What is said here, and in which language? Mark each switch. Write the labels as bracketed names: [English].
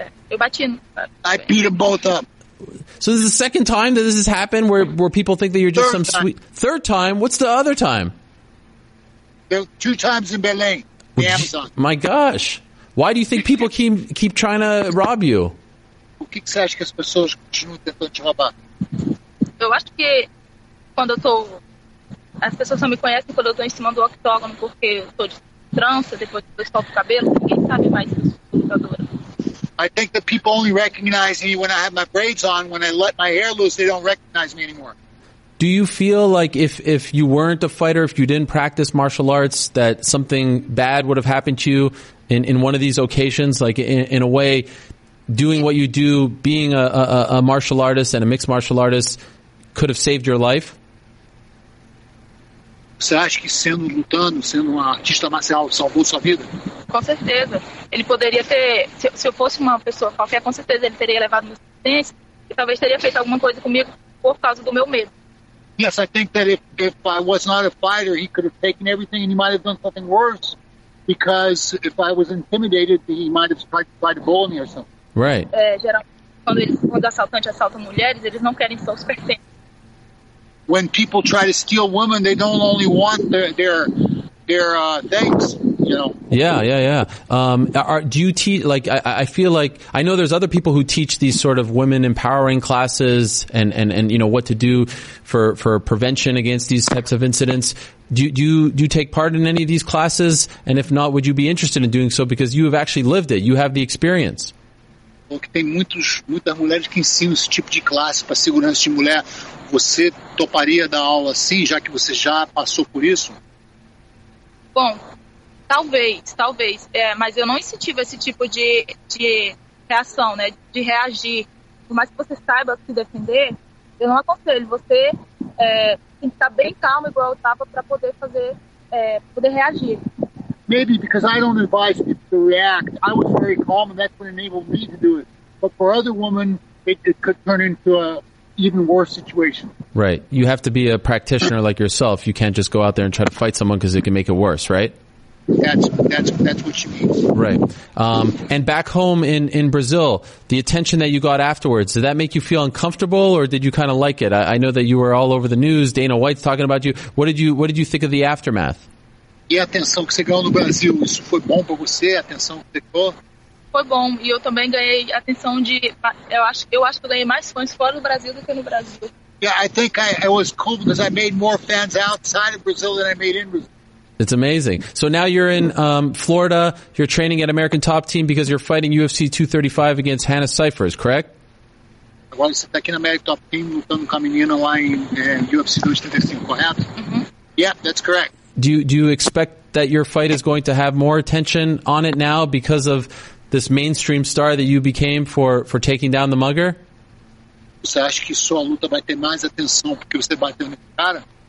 [Portuguese] Eu bati. [English] I beat them both up. So this is the second time that this has happened where people think that you're just third time. Sweet... Third time? What's the other time? There were two times in Belém, the Amazon. My gosh. Why do you think people keep trying to rob you? [Portuguese] O que você acha que as pessoas continuam tentando te roubar? Eu acho que quando eu tô... As pessoas só me conhecem quando eu tô em cima do octógono, porque eu tô de trança, depois eu solto o cabelo, ninguém sabe mais isso. [English] I think that people only recognize me when I have my braids on. When I let my hair loose, they don't recognize me anymore. Do you feel like if you weren't a fighter, if you didn't practice martial arts, that something bad would have happened to you in one of these occasions? Like, in a way, doing what you do, being a martial artist and a mixed martial artist, could have saved your life? [Portuguese] Você acha que sendo lutando, sendo uma artista marcial, salvou sua vida? Com certeza. Ele poderia ter, se eu fosse uma pessoa qualquer, com certeza ele teria levado minha assistência e talvez teria feito alguma coisa comigo por causa do meu medo. [English] Yes, I think that if I was not a fighter, he could have taken everything and he might have done something worse because if I was intimidated, he might have tried to bully me or something. Right. [Portuguese] Geralmente, quando assaltante assalta mulheres, eles não querem só os pertences. [English] When people try to steal women, they don't only want their things, you know. Yeah. I know there's other people who teach these sort of women empowering classes and you know what to do for prevention against these types of incidents. Do you take part in any of these classes? And if not, would you be interested in doing so? Because you have actually lived it. You have the experience. [Portuguese] Porque tem muitas mulheres que ensinam esse tipo de classe para segurança de mulher. Você toparia dar aula assim, já que você já passou por isso? Bom, talvez. É, mas eu não incentivo esse tipo de reação, né? De reagir. Por mais que você saiba se defender, eu não aconselho. Você tem que estar bem calmo, igual eu estava, para poder fazer, poder reagir. [English] Maybe because I don't advise people to react. I was very calm, and that's what enabled me to do it. But for other women, it could turn into an even worse situation. Right. You have to be a practitioner like yourself. You can't just go out there and try to fight someone because it can make it worse, right? That's what she means. Right. And back home in Brazil, the attention that you got afterwards, did that make you feel uncomfortable, or did you kind of like it? I know that you were all over the news. Dana White's talking about you. What did you think of the aftermath? [Portuguese] E a atenção que você ganhou no Brasil, isso foi bom para você? A atenção que você ganhou? Foi bom, e eu também ganhei atenção de... Eu acho que eu ganhei mais fãs fora do Brasil do que no Brasil. [English] Yeah, I think I was cool because I made more fans outside of Brazil than I made in Brazil. It's amazing. So now you're in Florida, you're training at American Top Team because you're fighting UFC 235 against Hannah Cyphers, correct? [Portuguese] Agora você está aqui na American Top Team lutando com a menina lá em UFC 235, correto? Mm-hmm. [English] Yeah, that's correct. Do you expect that your fight is going to have more attention on it now because of this mainstream star that you became for taking down the mugger? [Portuguese] Você acha que sua luta vai ter mais atenção porque você bateu nesse cara?